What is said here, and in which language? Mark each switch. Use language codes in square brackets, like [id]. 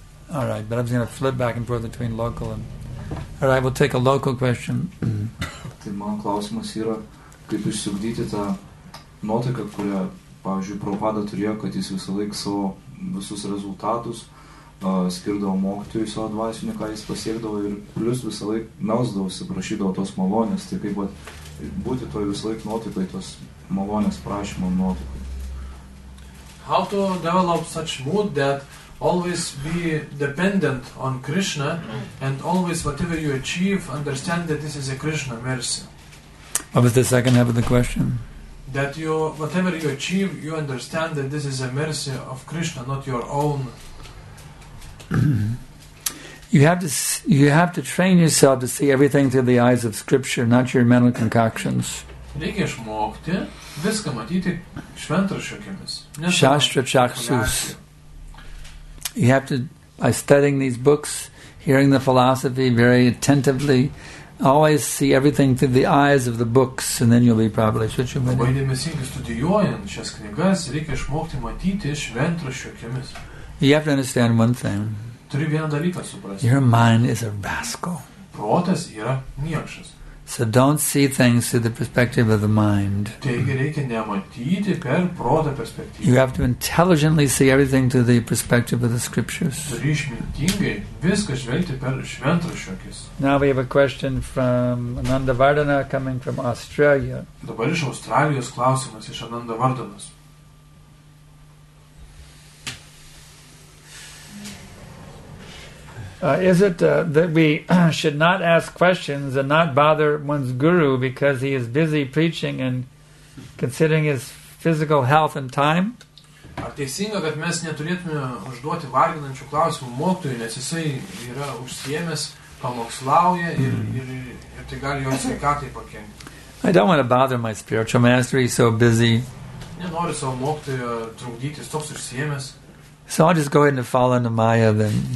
[en] All right, but I'm just going to flip back and forth between local and... All right, we'll take a local question. [lt] Tai man klausimas yra, kaip išsiugdyti tą nuotaiką, kurią, pavyzdžiui, Prabhupada turėjo, kad jis visą laiką savo visus rezultatus skirdavo mokytojų savo dvasinį, ką jis pasiekdavo ir plus visą laik melsdavosi, prašydavo tos malonės. Tai kaip vat, būti to visą laik nuotaikai, tos malonės prašymo nuotaikai. [en] How to develop such mood that always be dependent on Krishna and always whatever you achieve, understand that this is a Krishna mercy. What was the second half of the question? That you, whatever you achieve, you understand that this is a mercy of Krishna, not your own. You have to train yourself to see everything through the eyes of Scripture, not your mental concoctions. [lt] Reikia išmokti viską matyti šventraščio akimis. [sa] Shastra chakshus. [en] You have to, by studying these books, hearing the philosophy very attentively, always see everything through the eyes of the books, and then you'll be properly situated. [lt] Labai dėmesingai studijuojant šias knygas, reikia išmokti matyti šventraščio akimis. [en] You have to understand one thing. [lt] Turi vieną dalyką suprasti. [en] Your mind is a rascal. [lt] Protas yra niekšas. [en] So don't see things through the perspective of the mind. [lt] Taigi reikia nematyti per protą perspektyvą. [en] You have to intelligently see everything through the perspective of the scriptures. [lt] Turi išmintingai viską žvelgti per šventraščio akis. [en] Now we have a question from Ananda Vardana coming from Australia. [lt] Dabar iš Australijos klausimas iš Ananda Vardanas. [en] Is it that we should not ask questions and not bother one's guru because he is busy preaching and considering his physical health and time? [lt] Ar teisinga, kad mes neturėtume užduoti varginančių klausimų mokytojui, nes jisai yra užsiėmęs, pamokslauja ir tai gali jo sveikatai pakenkti? [en] I don't want to bother my spiritual master, he's so busy. [lt] Nenoriu savo mokytojo trukdyti, jis toks užsiėmęs. [en] So I'll just go ahead and fall into Maya then.